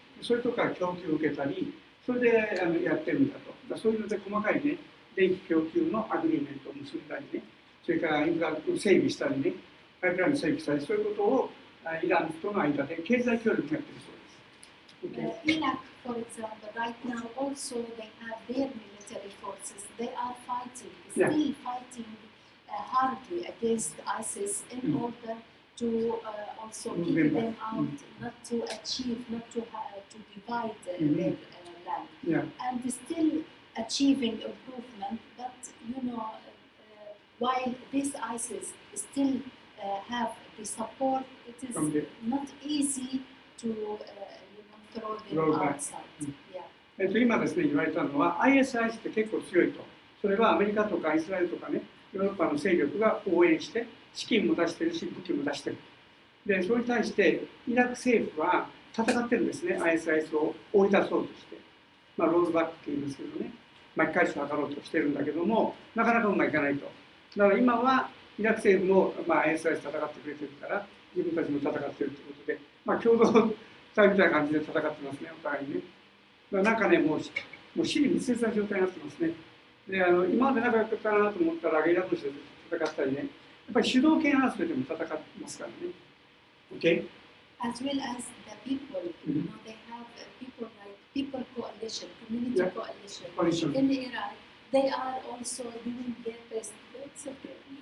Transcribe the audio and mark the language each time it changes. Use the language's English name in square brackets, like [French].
[Japanese] それとか供給を受けたり、それでやってるんだと。だそういうので細かいね、電気供給のアグリーメントを結んだりね、それからインフラを整備したりね、パイプライン整備したり、そういうことをイランとの間で経済協力やってるそうです。 [English] イラク、for example, right now also they have their military forces. They are fighting, still fighting hardly against ISIS in order to also keep them out, not to achieve, not to, to divide their land. And still achieving improvement, but you know, while this ISIS still have the support, it is not easy to [Japanese] 今ですね、言われたのは ISIS って結構強いと。それはアメリカとかイスラエルとかね、ヨーロッパの勢力が応援して資金も出してるし武器も出してる。で、それに対してイラク政府は戦ってるんですね。 ISIS を追い出そうとして、まあロールバックって言いますけどね、巻き返しを図ろうとしてるんだけども、なかなかうまくいかないと。だから今はイラク政府も、まあ、ISIS 戦ってくれてるから、自分たちも戦ってるということで、まあ共同みたいな感じで戦ってますね、お互いね。なんかね、もう死に密接な状態になってますね。で、今まで仲良かったなと思ったら、イラク人で戦ったりね、やっぱり主導権争いでも戦ってますからね。 [English] OK? As well as the people, you know, they have people like people coalition, community coalition. In Iran, they are also doing their best. It's okay.